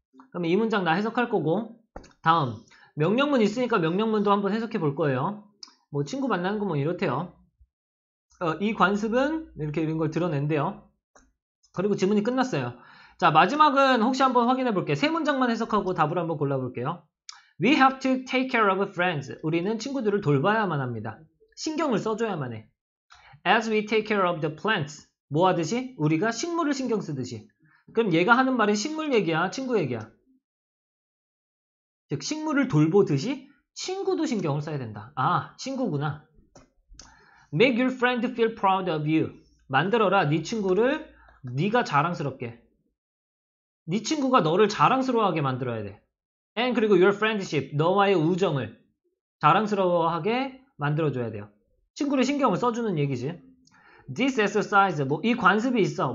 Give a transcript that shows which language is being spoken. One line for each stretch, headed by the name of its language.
Korean: 그럼 이 문장 나 해석할 거고. 다음. 명령문 있으니까 명령문도 한번 해석해 볼 거예요. 뭐 친구 만나는 거뭐 이렇대요. 이 관습은 이렇게 이런 걸 드러낸대요. 그리고 지문이 끝났어요. 자, 마지막은 혹시 한번 확인해 볼게. 세 문장만 해석하고 답을 한번 골라 볼게요.
English: We have to take care of friends.
Korean: 우리는 친구들을 돌봐야만 합니다. 신경을 써줘야만 해.
English: As we take care of the plants.
Korean: 뭐 하듯이? 우리가 식물을 신경 쓰듯이. 그럼 얘가 하는 말은 식물 얘기야, 친구 얘기야. 즉, 식물을 돌보듯이 친구도 신경을 써야 된다. 아, 친구구나.
English: Make your friend feel proud of you.
Korean: 만들어라, 네 친구를 네가 자랑스럽게. 네 친구가 너를 자랑스러워하게 만들어야 돼. And 그리고
English: your friendship,
Korean: 너와의 우정을 자랑스러워하게 만들어줘야 돼요. 친구를 신경을 써주는 얘기지.
English: This exercise,
Korean: 뭐, 이 관습이 있어.